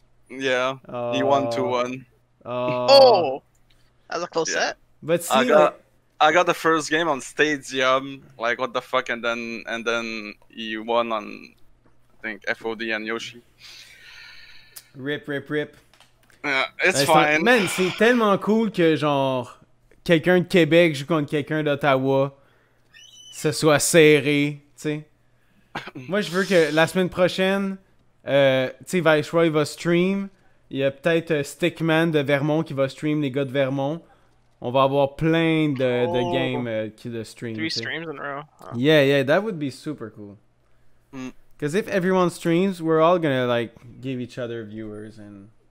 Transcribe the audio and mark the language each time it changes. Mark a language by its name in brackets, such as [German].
[English] Yeah, he won 2-1. Oh, that's a close set. But see, I got the first game on Stadium, like what the fuck, and then he won on, I think, FOD and Yoshi. Rip. Yeah, it's fine. [French] Man, c'est tellement cool que genre quelqu'un de Québec joue contre quelqu'un d'Ottawa, ce soit serré, tu sais. Moi, je veux que la semaine prochaine, tu sais, Viceroy va stream. Il y a peut-être Stickman de Vermont qui va stream les gars de Vermont. On va avoir plein de games qui de stream. [English] Three streams in a row. Oh. Yeah, that would be super cool. Because if everyone streams, we're all gonna like give each other viewers and.